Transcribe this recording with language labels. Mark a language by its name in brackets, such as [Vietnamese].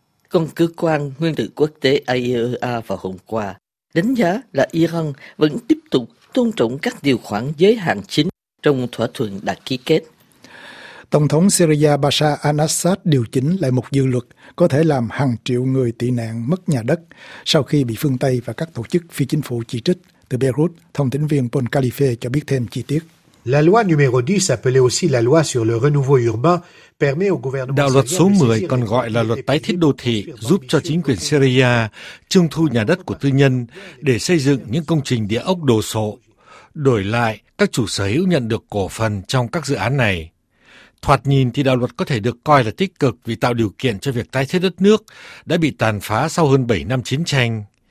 [Vietnamese] Còn cơ quan nguyên tử quốc tế IAEA vào hôm qua đánh giá là Iran vẫn tiếp tục tôn trọng các điều khoản giới hạn chính trong thỏa thuận đã ký kết. Tổng thống Syria Bashar al-Assad điều chỉnh lại một dự luật có thể làm hàng triệu người tị nạn mất nhà đất sau khi bị phương Tây và các tổ chức phi chính phủ chỉ trích. Từ Beirut, thông tin viên Paul Khalife cho biết thêm chi tiết. [French] La loi numéro 10, appelée aussi la loi sur le renouveau urbain, permet au gouvernement. [Vietnamese] Đạo luật số 10 còn gọi là luật tái thiết đô thị giúp cho chính quyền Syria trưng thu nhà đất của tư nhân để xây dựng những công trình địa ốc đồ sộ. Đổi lại, các chủ sở hữu nhận được cổ phần trong các dự án này. Thoạt nhìn thì đạo luật có thể được coi là tích cực vì tạo điều kiện cho việc tái thiết đất nước đã bị tàn phá sau hơn 7 năm chiến tranh.